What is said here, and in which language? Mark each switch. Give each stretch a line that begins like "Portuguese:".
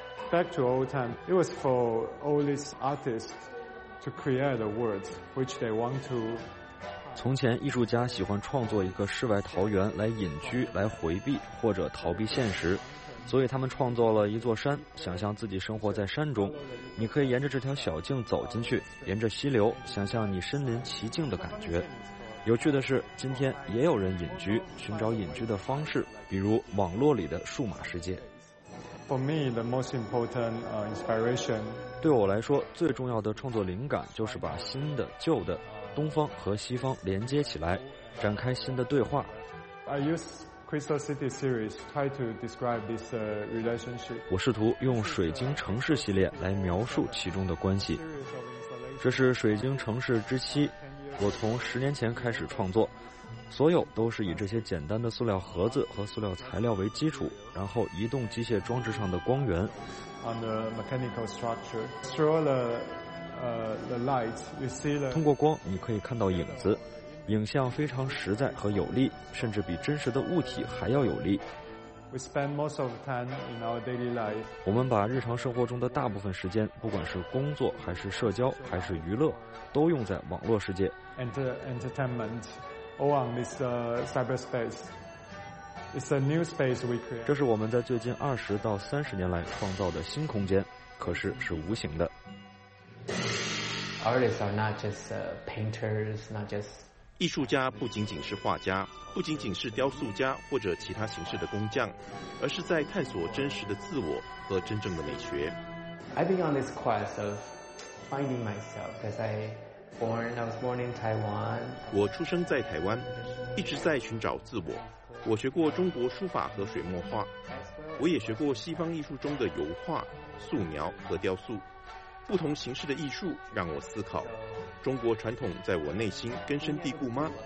English: Back to old time, it was for all these artists. To create the world which they want to.
Chinese: 从前艺术家喜欢创作一个世外桃源来隐居，来回避或者逃避现实，所以他们创作了一座山，想象自己生活在山中。你可以沿着这条小径走进去，沿着溪流，想象你身临其境的感觉。有趣的是，今天也有人隐居，寻找隐居的方式，比如网络里的数码世界。
English: For me, the most important inspiration.
Chinese: 对我来说，最重要的创作灵感就是把新的、旧的、东方和西方连接起来，展开新的对话。
English: I use Crystal City series try to describe this relationship.
Chinese: 我试图用水晶城市系列来描述其中的关系。这是水晶城市之七，我从10年前开始创作。所有都是以这些简单的塑料盒子和塑料材料为基础，然后移动机械装置上的光源。
English: On the mechanical structure, through the light, you see the.
Chinese: 通过光，你可以看到影子，影像非常实在和有力，甚至比真实的物体还要有力。
English: We spend most of time in our daily life.
Chinese: 我们把日常生活中的大部分时间，不管是工作还是社交还是娱乐，都用在网络世界。
English: Entertainment. All on this cyberspace. It's a new space we create.
Chinese: 这是我们在最近20到30年来创造的新空间，可是是无形的。
English: Artists are not just painters, not just.
Chinese: 艺术家不仅仅是画家，不仅仅是雕塑家或者其他形式的工匠，而是在探索真实的自我和真正的美学。
English: I've been on this quest of finding myself as I. I was born in Taiwan.
Chinese: 我出生在台湾，一直在寻找自我。我学过中国书法和水墨画，我也学过西方艺术中的油画、素描和雕塑。不同形式的艺术让我思考，中国传统在我内心根深蒂固吗？